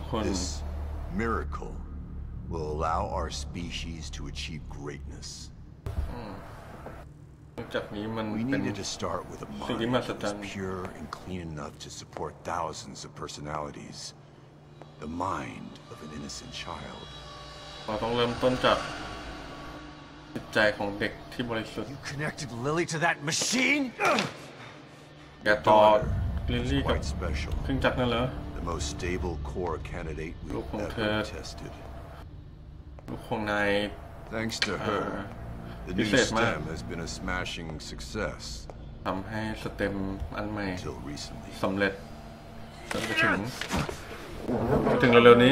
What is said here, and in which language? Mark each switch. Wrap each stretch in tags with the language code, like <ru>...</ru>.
<en>this miracle, will allow our species to achieve greatness. We needed to start with a mind that was pure and clean enough to support thousands of personalities. The mind of an innocent child.</en> <th>เราต้องเริ่มต้นจากจิตใจของเด็กที่บริสุทธิ์</th> <en>You connected Lily to that machine?</en> <th>แกต่อลิลลี่กับเครื่องจักรนั่นเหรอ</th> <en>The most stable core candidate we've ever tested.</en> <th>ลูกของนาย</th> <en>Thanks to her. The new stem has been a smashing success.</en> <th>ทำให้สเต็มอันใหม่สำเร็จแล้วไปถึงเร็วๆนี</th>